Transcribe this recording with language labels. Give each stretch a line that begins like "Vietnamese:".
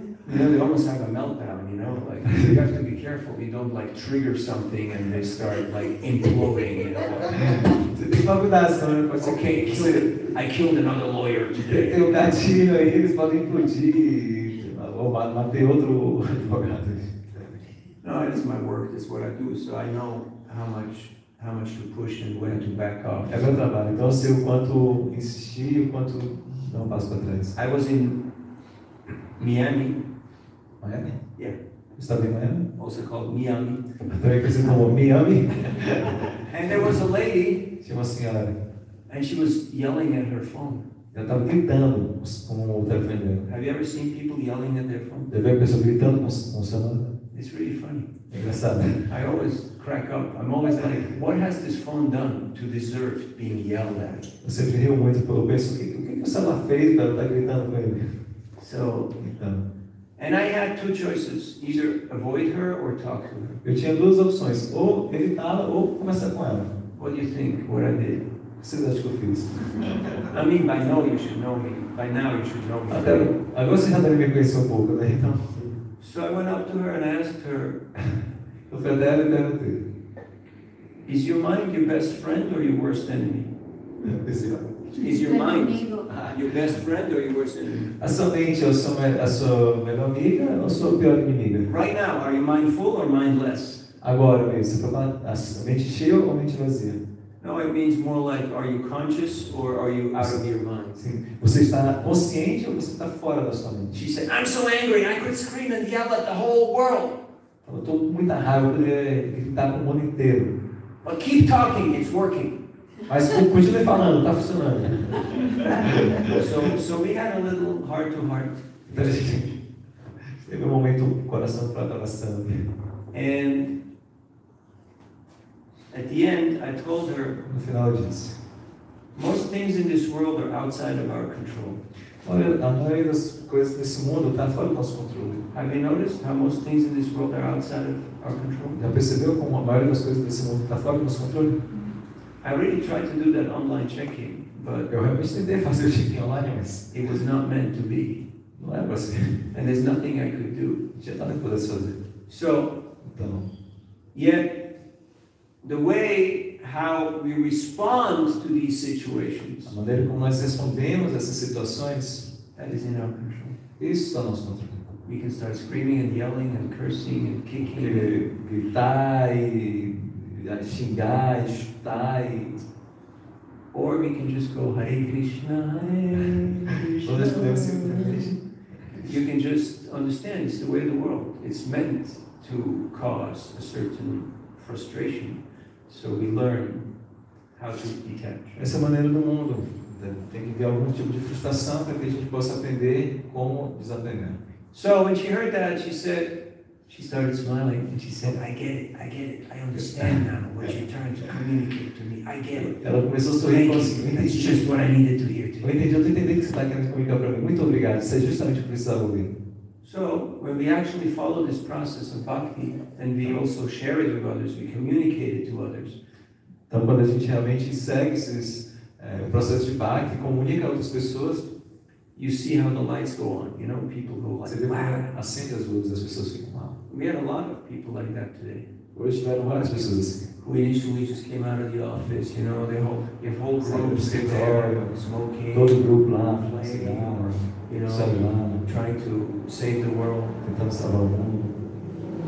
English: You know, they almost have a meltdown, you know? Like, you have to be careful. careful we don't like trigger something and they start like imploding, you know.
Portuguese: Tem uma cuidação, né? Pode ser
English: okay, que I killed another lawyer today.
Portuguese: Tem um gatilho aí, eles podem implodir ou matar outro advogado.
English: No, it's my work, it's what I do, so I know how much to push and when to back off.
Portuguese: É meu trabalho, então eu sei o quanto insistir e o quanto dar um passo para trás.
English: I was in Miami. Miami? Yeah.
Portuguese: Estava em Miami?
English: Also called Miami.
Portuguese: Também conhecido como Miami.
English: And there was a lady.
Portuguese: Tinha uma senhora.
English: And she was yelling at her phone.
Portuguese: Ela estava gritando com o telefone dela.
English: Have you ever seen people yelling at their phone?
Portuguese: Deve ver pessoas gritando com o celular.
English: It's really funny.
Portuguese: É engraçado.
English: I always crack up. I'm always like, what has this phone done to deserve being yelled at?
Portuguese: Eu sempre rio muito pelo penso, o que o celular fez para ela estar gritando com ele?
English: So, and I had two choices, either avoid her or talk to her.
Portuguese: Eu tinha duas opções, ou evitá-la ou conversar com ela.
English: What do you think? What I did?
Portuguese: Você acha que eu fiz?
English: I mean, by now you should know me. By now you should know me.
Portuguese: Agora você já deve me conhecer um pouco, né? Então.
English: So I went up to her and asked her.
Portuguese: Eu fui até ela e perguntei.
English: Is your mind your best friend or your worst enemy? Is your mind your best friend or your worst enemy?
Portuguese: A sua mente ou a sua melhor amiga ou a sua pior inimiga?
English: Right now, are you mindful or mindless?
Portuguese: Agora mesmo, a mente cheia ou a mente vazia?
English: No, it means more like, are you conscious or are you out of your mind?
Portuguese: Sim. Você está consciente ou você está fora da sua mente?
English: She said, I'm so angry, I could scream and yell at the whole world.
Portuguese: Eu estou com muita raiva, eu poderia gritar com o mundo inteiro.
English: But keep talking, it's working.
Portuguese: Mas continue falando, está funcionando.
English: So we had a little heart to heart.
Portuguese: Teve um momento coração para coração.
English: And at the end, I told her.
Portuguese: No final eu disse.
English: Most things in this world are outside of our control.
Portuguese: Olha, a maioria das coisas nesse mundo está fora do nosso controle.
English: Have you noticed how most things in this world are outside of our control?
Portuguese: Já percebeu como a maioria das coisas nesse mundo está fora do nosso controle?
English: I really tried to do that online checking, but
Portuguese: eu realmente tentei fazer o check-in online, mas
English: it was not meant to be.
Portuguese: Não era para ser.
English: And there's nothing I could do.
Portuguese: Já nada pudesse fazer.
English: So,
Portuguese: então,
English: yet the way how we respond to these situations,
Portuguese: a maneira como nós respondemos a essas situações,
English: that is in our control.
Portuguese: Isso está no nosso controle.
English: We can start screaming and yelling and cursing and kicking. Gritar e xingar, e chutar, e or we can just go Hare Krishna, Hare Krishna. You can just understand it's the way of the world. It's meant to cause a certain frustration. So we learn how to detach.
Portuguese: Essa é a maneira do mundo. Tem que ter algum tipo de frustração para que a gente possa aprender como desapegar.
English: So when she heard that, she said, she started smiling and she said, I get it. I understand now what you're trying to communicate to me. I get it.
Portuguese: Ela começou a sorrir e falou assim,
English: that's just what I needed to hear today.
Portuguese: Eu entendi que você está querendo comunicar para mim. Muito obrigado. Isso é justamente o que precisava ouvir.
English: So, when we actually follow this process of bhakti, and we also share it with others, we communicate it to others.
Portuguese: Então, quando a gente realmente segue esse processo de bhakti, comunica a outras pessoas,
English: you see how the lights go on, you know, people go like,
Portuguese: Você vê, acende as luzes, as pessoas ficam mal.
English: We had a lot of people like that today.
Portuguese: Hoje tiveram várias pessoas assim.
English: Who initially just came out of the office, you know, the whole group sit there, smoking,
Portuguese: todo grupo lá, playing,
English: you know, trying to save the world.
Portuguese: Tentando salvar o mundo.